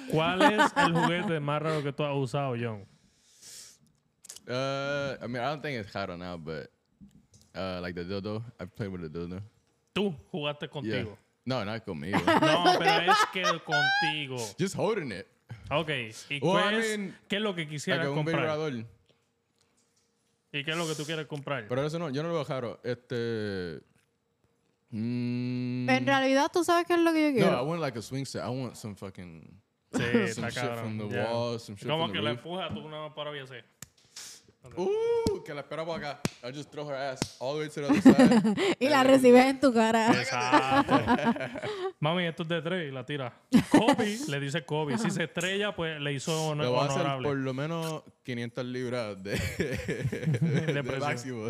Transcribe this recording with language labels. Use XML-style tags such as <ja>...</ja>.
<es>¿Cuál es el juguete más raro que tú has usado, John?</es> <en>I mean, I don't think it's hard now, but like the dildo. I've played with the dildo.</en> <es>Tú jugaste contigo.</es> <en>Yeah. No, not</en> <es>conmigo. No, pero es que contigo.</es> <en>Just holding it. Ok.</en> <es>¿Y qué es lo que quisieras que comprar? Un vibrador. ¿Y qué es lo que tú quieres comprar? Pero eso no, yo no lo veo claro. En realidad, ¿tú sabes qué es lo que yo quiero?</es> <en>No, I want like a swing set. I want some fucking... Sí, some shit from the wall, some shit from the roof.</en> <es>Como que la empuja, tú no paras bien así. Que la espero por acá.</es> <en>I just throw her ass all the way to the other side.</en> <es>Y la recibes en tu cara. Exacto. Mami, esto es de tres y la tira. Kobe, le dice Kobe. Si se estrella, pues le hizo honorable. Le va a hacer por lo menos 500 libras de máximo.</es>